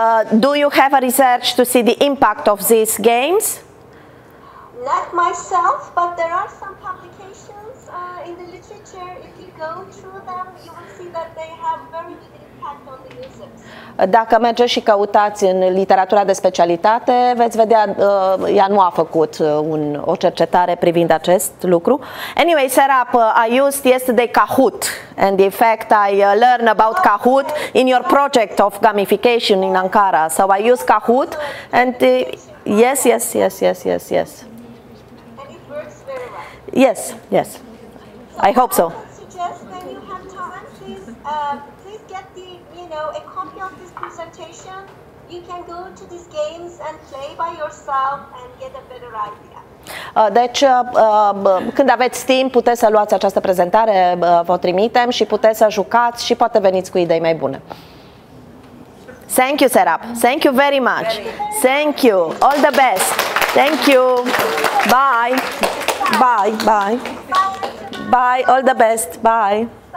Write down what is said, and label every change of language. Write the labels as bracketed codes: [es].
[en] Do you have a research to see the impact of these games? Not myself, but there are some publications in the literature. If you go through them, you will see that they have very big impact on the users. [ro] Dacă mergeți și căutați în literatura de specialitate, veți vedea, ea nu a făcut o cercetare privind acest lucru. [en] Anyway, Serap, I used yesterday Kahoot, and in fact I learned about Kahoot in your project of gamification in Ankara. So I used Kahoot, and yes. Yes. I hope so. Suggest when you have time, please get a copy of this presentation. you can go to these games and play by yourself and get a better idea. [ro] Deci, când aveți timp, puteți să luați această prezentare, vă trimitem și puteți să jucați și poate veniți cu idei mai bune. [en] Thank you, Serap. Thank you very much. Thank you. All the best. Thank you. Bye. Bye. Bye. Bye. All the best. Bye.